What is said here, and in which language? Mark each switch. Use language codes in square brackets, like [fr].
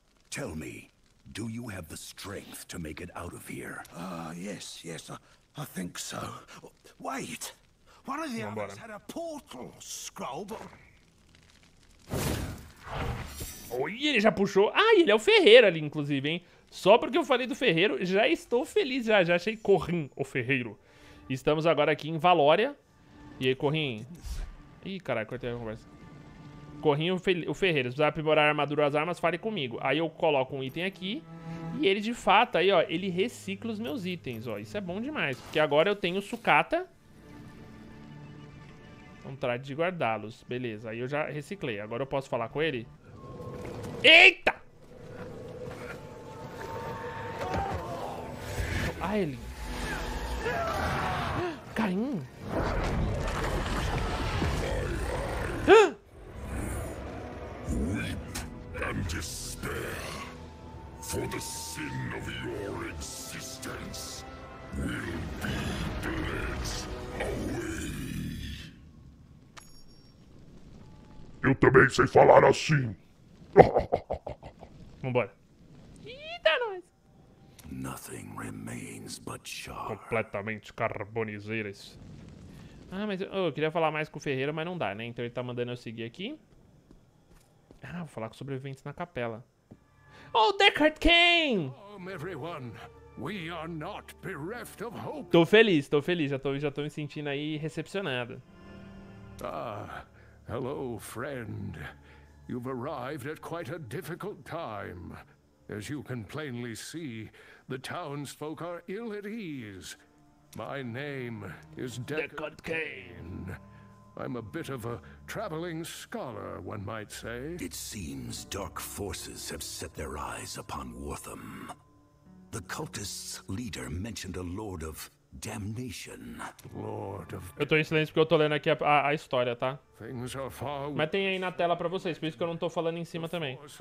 [en] Tell me, do you have the strength to make it out of here? Yes, I think so. Wait. One of the others had a portal scroll, but... [pt] Oi, ele já puxou. Ah, ele é o ferreiro ali, inclusive, hein? Só porque eu falei do ferreiro, já estou feliz. Já achei Corrin, o ferreiro. Estamos agora aqui em Valória. E aí, Corrin? Ih, caralho, cortei a conversa. Corrin, o ferreiro. Se precisar aprimorar a armadura ou as armas, fale comigo. Aí eu coloco um item aqui. E ele, de fato, aí, ó, ele recicla os meus itens, ó. Isso é bom demais. Porque agora eu tenho sucata. Um trato de guardá-los. Beleza, aí eu já reciclei. Agora eu posso falar com ele? Eita! Ah, ele... Caim! [en] Weep and despair. For the sin of your existence will be bled away. [pt] Eu também sei falar assim. Vambora. Eita, nós. [en] Nothing remains but char. [pt] Completamente carbonizeiras. Ah, mas eu queria falar mais com o ferreiro, mas não dá, né? Então ele tá mandando eu seguir aqui. Ah, vou falar com sobreviventes na capela. [en] Oh, Deckard Cain! Everyone. We are not bereft of hope. [pt] Tô feliz. Já tô me sentindo aí recepcionado. [en] Hello, friend. You've arrived at quite a difficult time. As you can plainly see, the townsfolk are ill at ease. My name is Deckard Cain. I'm a bit of a traveling scholar, one might say. It seems dark forces have set their eyes upon Wortham. The cultist's leader mentioned a lord of... Damnation. Lord of... [pt] Eu tô em silêncio porque eu tô lendo aqui a história, tá? Mas tem aí na tela pra vocês, por isso que eu não tô falando em cima também.